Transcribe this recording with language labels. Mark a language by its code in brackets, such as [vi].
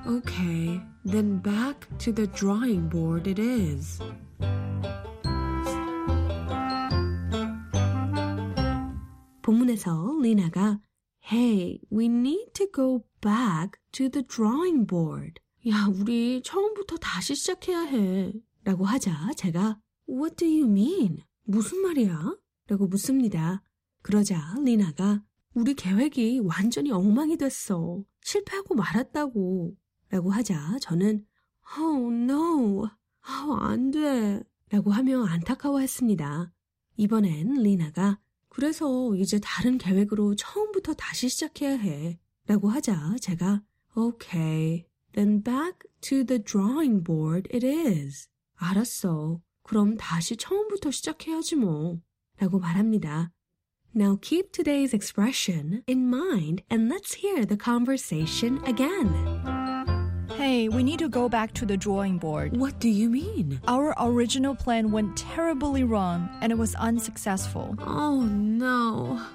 [en] Okay, then back to the drawing board it is. [ko] 본문에서 리나가 [en] Hey, we need to go back to the drawing board. [ko] 야, 우리 처음부터 다시 시작해야 해. 라고 하자 제가 [en] What do you mean? [ko] 무슨 말이야? 라고 묻습니다. 그러자 리나가 우리 계획이 완전히 엉망이 됐어. 실패하고 말았다고. 라고 하자 저는 [en] Oh no. [ko] 아, 안 돼. 라고 하며 안타까워했습니다. 이번엔 리나가 그래서 이제 다른 계획으로 처음부터 다시 시작해야 해. 라고 하자 제가 [en] Okay. Then back to the drawing board it is. [ko] 알았어. 그럼 다시 처음부터 시작해야지 뭐. 라고 말합니다. [en] Now keep today's expression in mind and let's hear the conversation again. Hey, we need to go back to the drawing board. What do you mean? Our original plan went terribly wrong and it was unsuccessful. Oh, no.